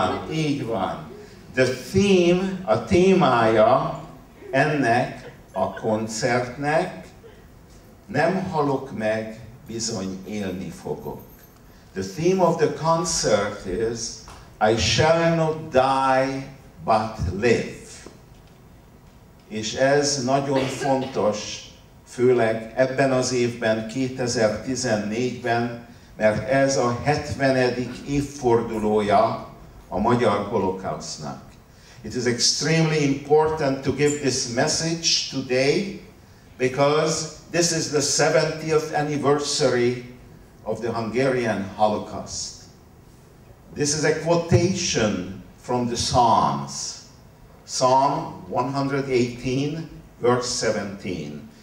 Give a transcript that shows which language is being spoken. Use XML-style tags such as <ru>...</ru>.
<hu>Így van.</hu> <en>The theme,</en> <hu>a témája ennek a koncertnek, nem halok meg, bizony élni fogok.</hu> <en>The theme of the concert is, I shall not die, but live.</en> <hu>És ez nagyon fontos, főleg ebben az évben, 2014-ben, mert ez a 70. évfordulója a magyar holokausznak.</hu> <en>It is extremely important to give this message today because this is the 70th anniversary of the Hungarian Holocaust. This is a quotation from the Psalms, Psalm 118, verse 17.</en>